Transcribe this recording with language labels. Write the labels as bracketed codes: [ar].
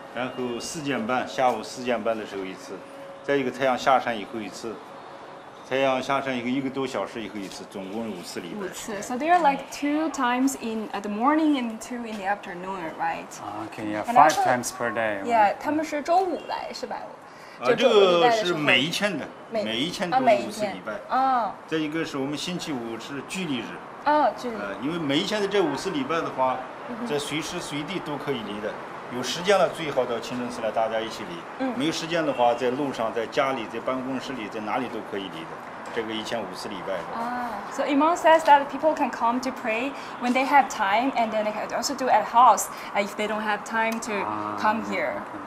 [zh] 然后4:30，下午4:30的时候一次， 再一个太阳下山以后一次。太阳下山一个1个多小时以后一次，总共五次礼拜。五次。 [en] So there are like two times in the morning and two in the afternoon, right? Okay, yeah, five times per day. [zh] Yeah, 他们是周五来，是吧？这个是每一天的，每一天都是五次礼拜。啊，再一个是我们星期五是聚礼日。啊，聚礼。因为每一天的这五次礼拜的话，在随时随地都可以离的。有时间了，最好到清真寺来大家一起离。没有时间的话，在路上、在家里、在办公室里、在哪里都可以离的。这个1,500次礼拜。 [en] So Imam says that people can come to pray when they have time, and then they can also do at house if they don't have time to come here.